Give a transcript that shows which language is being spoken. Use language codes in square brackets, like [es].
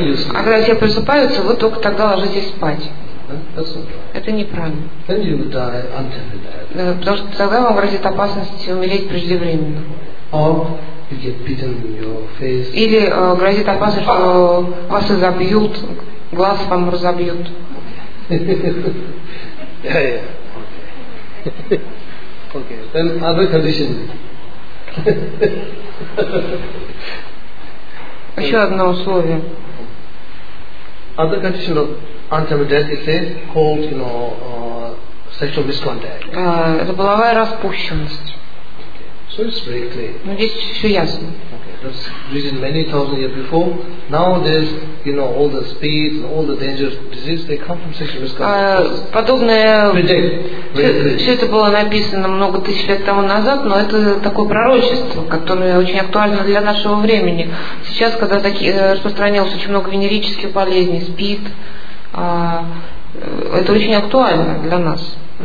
[ru] А когда все просыпаются, вы только тогда ложитесь спать. Это неправильно. [en] Then you die until you die. [ru] Да, потому что тогда вам грозит опасность умереть преждевременно. [en] Or you get beaten in your face. [ru] Или грозит опасность, что вас изобьют, глаз вам разобьют. [en] Yeah, yeah. Okay. Okay. Then other condition. [ru] Еще одно условие. [en] Other condition of anti-medicine is called, you know, sexual misconduct. [ru] Это половая распущенность. [en] So it's very clear. [ru] Ну, здесь все ясно. [en] Okay. That's written many thousand years before. Nowadays, you know, all the speed and all the dangerous diseases, they come from sexual misconduct. [ru] Подобное все это было написано много тысяч лет тому назад, но это такое пророчество, которое очень актуально для нашего времени. Сейчас, когда распространилось очень много венерических болезней, СПИД, это очень актуально для нас.